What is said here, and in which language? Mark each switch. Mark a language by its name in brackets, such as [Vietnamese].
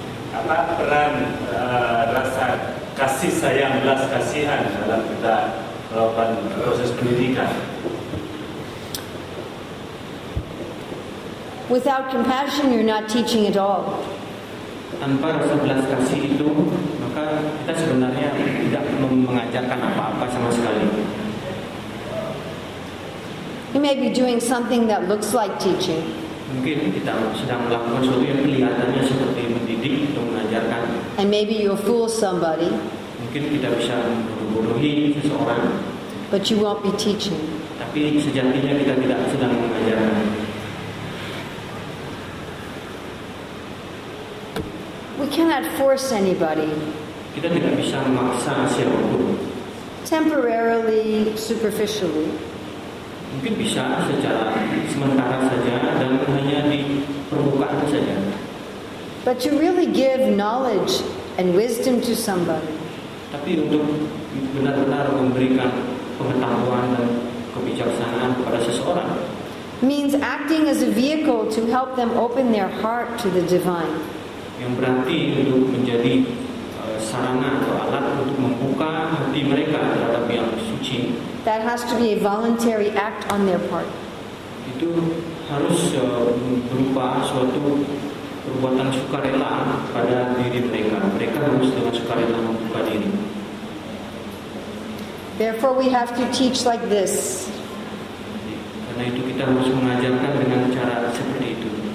[Indonesian] Apa peran rasa kasih sayang, belas kasihan dalam kita melakukan proses pendidikan? [English] Without compassion, you're not teaching at all. [Indonesian] Tanpa rasa belas kasih itu, maka kita sebenarnya tidak mengajarkan apa-apa sama sekali. [English] You may be doing something that looks like teaching. [Indonesian] Mungkin kita sedang melakukan sesuatu yang kelihatannya seperti mendidik atau mengajarkan. [English] And maybe you'll fool somebody. [Indonesian] Mungkin kita bisa membodohi seseorang. [English] But you won't be teaching. [Indonesian] Tapi sejatinya kita tidak sedang mengajarkan. [English] We cannot force anybody. [Indonesian] Kita tidak bisa memaksa siapapun. [English] Temporarily, superficially. [Indonesian] Mungkin bisa secara sementara saja dan hanya di permukaan saja. [English] But to really give knowledge and wisdom to somebody. [Indonesian] Tapi untuk benar-benar memberikan pengetahuan dan kebijaksanaan kepada seseorang. [English] Means acting as a vehicle to help them open their heart to the divine. [Indonesian] Yang berarti untuk menjadi sarana atau alat untuk membuka hati mereka terhadap yang suci. [English] That has to be a voluntary act on their part. [Indonesian] Itu harus berupa suatu perbuatan sukarela pada diri mereka. Mereka harus dengan sukarela membuka diri. [English] Therefore, we have to teach like this. [Indonesian] Karena itu kita harus mengajarkan dengan cara seperti itu.